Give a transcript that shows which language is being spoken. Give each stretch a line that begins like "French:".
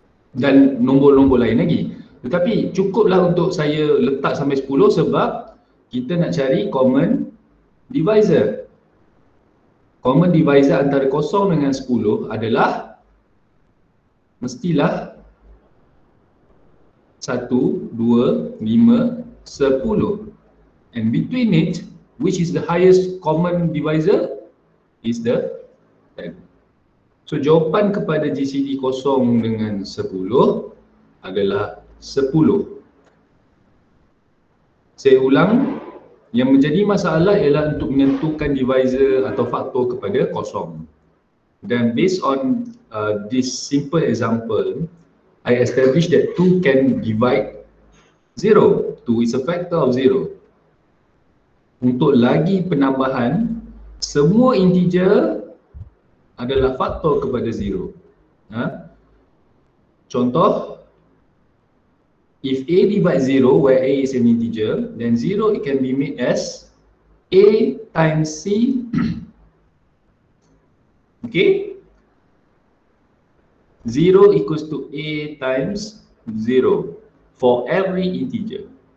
Malay: Dan nombor-nombor lain lagi. Tetapi cukuplah untuk saya letak sampai 10 sebab kita nak cari common divisor. Common divisor antara 0 dengan 10 adalah mestilah 1, 2, 5, 10.
English: And between it, which is the highest common divisor? Is the 10.
Malay: So jawapan kepada GCD 0 dengan 10 adalah 10. Saya ulang, yang menjadi masalah ialah untuk menentukan divisor atau faktor kepada 0.
English: Dan based on this simple example, I establish that 2 can divide 0. 2 is a factor of 0.
Malay: Untuk lagi penambahan, semua integer adalah faktor kepada 0. Ha?
English: Contoh, if A divide 0 where A is an integer, then 0 it can be made as A times C. Okay? 0 equals to A times 0 for every integer.